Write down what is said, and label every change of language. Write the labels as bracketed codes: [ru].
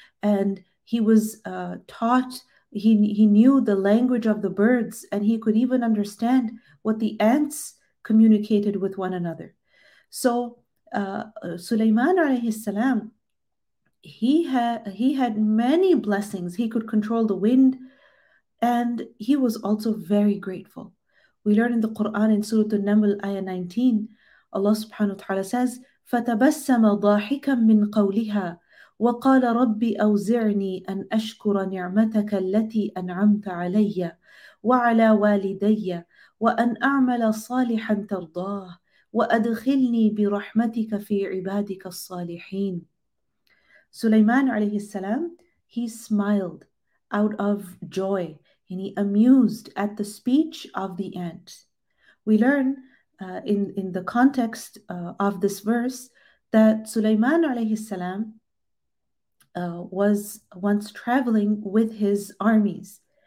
[en] And he was taught, he knew the language of the birds, and he could even understand what the ants communicated with one another. So Sulaiman alayhi salam, he had many blessings. He could control the wind, and he was also very grateful. We learn in the Quran in Surah An-Naml, ayah 19, Allah subhanahu wa ta'ala says, [ar] فَتَبَسَّمَ ضَاحِكًا مِّنْ قَوْلِهَا وَقَالَ رَبِّ أَوْزِعْنِي أَنْ أَشْكُرَ نِعْمَتَكَ الَّتِي أَنْعَمْتَ عَلَيَّ وَعَلَى وَالِدَيَّ وَأَنْ أَعْمَلَ صَالِحًا تَرْضَاهُ وَأَدْخِلْنِي بِرَحْمَتِكَ فِي عِبَادِكَ الصَّالِحِينَ. [en] Sulaiman alayhi salam, he smiled out of joy, and he amused at the speech of the ant. We learn in the context of this verse that Sulaiman alayhi salam was once traveling with his armies.